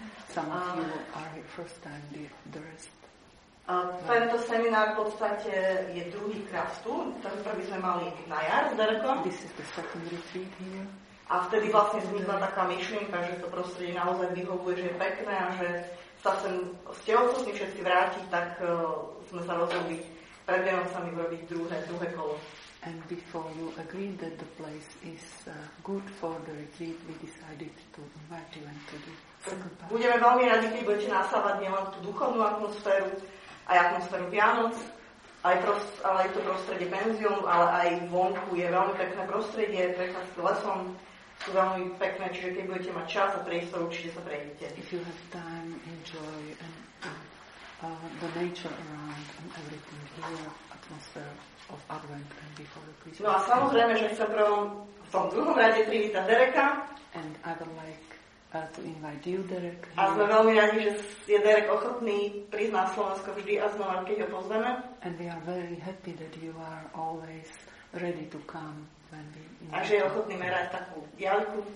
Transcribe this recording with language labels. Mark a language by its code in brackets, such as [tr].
[en] Some of you are first time the rest. [sk] Tento seminár v podstate je druhý krát tu. Ten prvý sme mali na jar s Derekom. [en] This is the second retreat here. [sk] A vtedy vlastne vznikla taká myšlienka, že to prostredie naozaj vyhovuje, že je pekné a že sa sem s teocosmi všetci vrátiť, tak sme sa rozhodli pred Vianocami urobiť druhé kolo. [en] And before you agreed that the place is good for the retreat, we decided to invite you and to do second part. [sk] Budeme veľmi radi, keď budete nasávať nielen tú duchovnú atmosféru, aj atmosféru Vianoc, ale aj to prostredie penziónu, ale aj vonku je veľmi pekné prostredie, prechádz s lesom, sú veľmi pekné, čiže keď budete mať čas a priestor, určite sa prejdete. [en] If you have time, enjoy the nature around and everything here, atmosphere of Advent and before the Christmas. [sk] No a samozrejme, že chcem v tom druhom rade privítať Dereka. [en] And I would like to invite you, Derek. [sk] A sme veľmi radi, že je Derek ochotný prísť na Slovensko vždy a znova, keď ho pozveme. [en] And we are very happy that you are always ready to come. [sk] A že je ochotný merať takú diaľku.